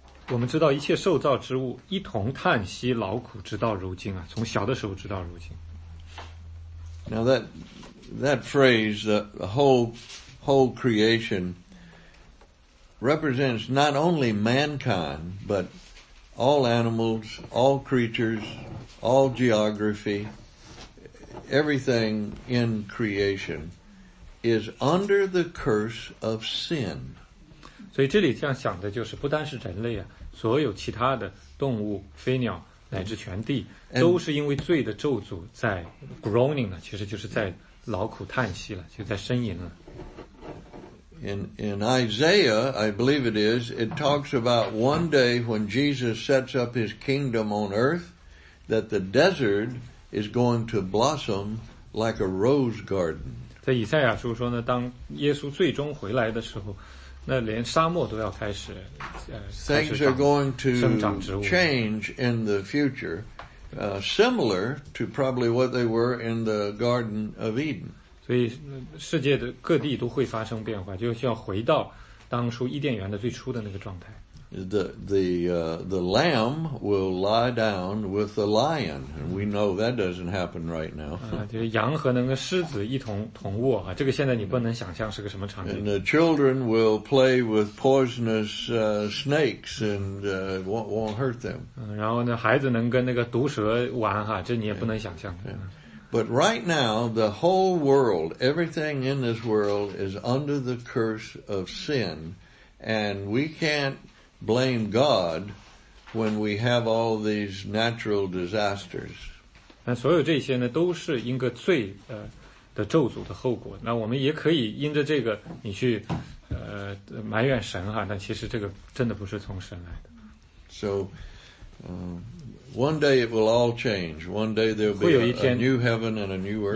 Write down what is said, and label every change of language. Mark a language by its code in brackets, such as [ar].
[zh] 我们知道一切受造之物一同叹息劳苦直到如今啊，从小的时候直到如今。 [en] Now that phrase, the whole creation, represents not only mankind, but all animals, all creatures, all geography, everything in creation is under the curse of sin. [zh] 所以这里这样想的就是不单是人类啊，所有其他的动物、飞鸟乃至全地都是因为罪的咒诅在 groaning 了，其实就是在劳苦叹息了，就在呻吟了。 [en] In Isaiah, I believe it is, it talks about one day when Jesus sets up his kingdom on earth, that the desert is going to blossom like a rose garden. [zh] 在以赛亚书说呢，当耶稣最终回来的时候，那连沙漠都要开始 [en] Things are going to change in the future, similar to probably what they were in the Garden of Eden. [zh] 所以世界的各地都会发生变化，就像回到当初伊甸园的最初的那个状态。 [en] The lamb will lie down with the lion, and we know that doesn't happen right now. [zh] 就是羊和那个狮子一同卧啊，这个现在你不能想象是个什么场景。 [en] And the children will play with poisonous snakes, and won't hurt them. [zh] 然后呢，孩子能跟那个毒蛇玩哈，这你也不能想象。 [en] But right now, the whole world, everything in this world, is under the curse of sin, and we can't blame God when we have all these natural disasters. [zh] 那所有这些呢，都是因个罪的咒诅的后果。那我们也可以因着这个，你去埋怨神哈。但其实这个真的不是从神来的。 [en] So, one day it will all change. One day there'll be a new heaven and a new earth.